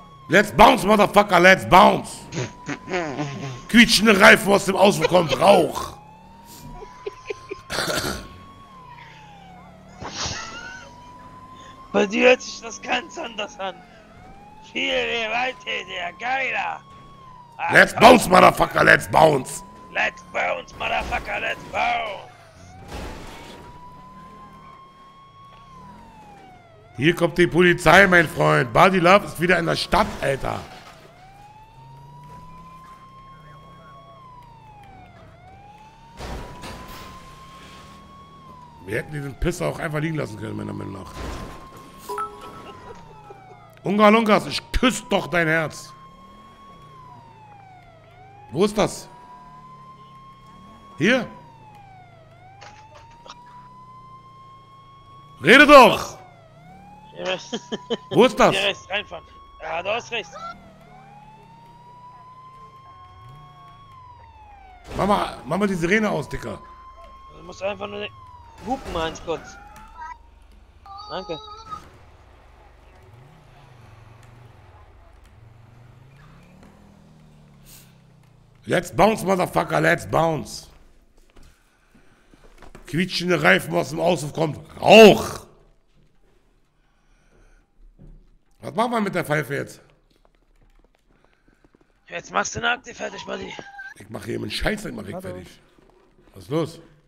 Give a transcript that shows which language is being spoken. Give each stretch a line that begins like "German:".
English: Let's bounce, motherfucker, let's bounce!
German: Quietschende Reifen aus dem Auto kommt, Rauch! Bei dir hört sich das ganz anders an. Viel gewalttätiger, geiler. Ah,
English: let's bounce, motherfucker, let's bounce. Let's bounce, motherfucker, let's bounce.
German: Hier kommt die Polizei, mein Freund. Buddy Love ist wieder in der Stadt, Alter. Wir hätten diesen Pisser auch einfach liegen lassen können, meiner Meinung nach. Ungalungas, ich küsse doch dein Herz. Wo ist das? Hier? Rede doch! Wo ist das? Hier rechts, reinfahren. Ja, du hast rechts. Mach mal die Sirene aus, Dicker. Du musst einfach nur... Hupen, eins kurz. Danke.
English: Let's bounce, motherfucker, let's bounce.
German: Quietschende Reifen aus dem Auspuff kommt. Rauch! Was machen wir mit der Pfeife jetzt? Jetzt machst du eine Akte fertig, Buddy. Ich mache hier meinen Scheiß nicht mal fertig. Was ist los?